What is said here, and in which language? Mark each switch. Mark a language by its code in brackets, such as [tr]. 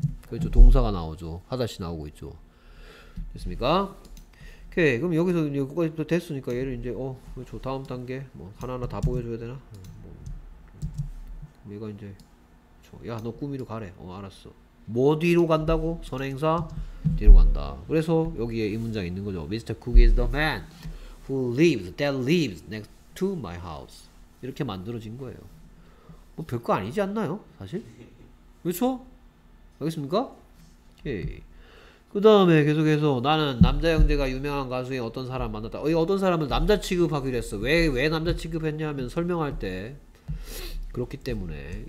[ko] 그렇죠. 동사가 나오죠. 하다시 나오고 있죠. 됐습니까? 오케이. 그럼 여기서 여기까지 됐으니까 얘를 이제 그렇죠. 다음 단계 뭐 하나하나 다 보여줘야 되나? 얘가 이제 그렇죠. 야 너 꾸미러 가래. 알았어. 뭐 뒤로 간다고? 선행사 뒤로 간다. 그래서 여기에 이 문장이 있는 거죠. [en] Mr. Cook is the man who lives, that lives next to my house. [ko] 이렇게 만들어진 거예요. 뭐 별거 아니지 않나요? 사실? 그렇죠? 알겠습니까? 오케이. 그 다음에 계속해서 나는 남자 형제가 유명한 가수의 어떤 사람 만났다. 어떤 사람을 남자 취급하기로 했어. 왜 남자 취급했냐 하면 설명할 때 그렇기 때문에.